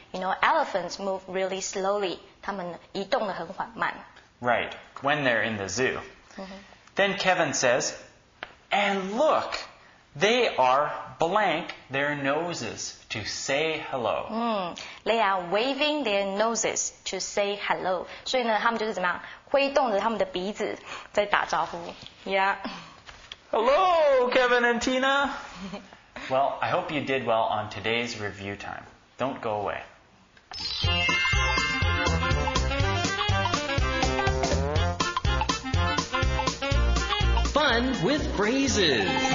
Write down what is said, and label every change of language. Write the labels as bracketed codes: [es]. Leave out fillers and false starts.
[en] You know, elephants move really slowly. [zh] 他们移动得很缓慢。 [en] Right, when they're in the zoo.、Then Kevin says, And look, they are blank their noses to say hello.、 They are waving their noses to say hello. [zh] 所以呢他们就是怎么样挥动着他们的鼻子在打招呼。 [en] Yeah. Hello, Kevin and Tina. Well, I hope you did well on today's review time. Don't go away. With phrases.